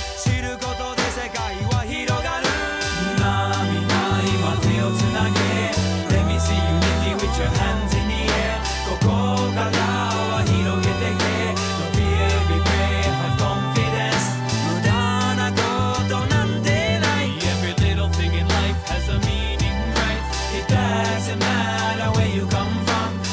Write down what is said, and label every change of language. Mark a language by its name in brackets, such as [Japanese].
[Japanese] 知ることで世界は広がる。なあみんな今手をつなげ。 [English] Let me see unity with your hands in the air. [Japanese] ここからは広げてけ。 [English] No fear, be brave, have confidence. [Japanese] 無駄なことなんてない。 [English] Every little thing in life has a meaning, right? It doesn't matter where you come from.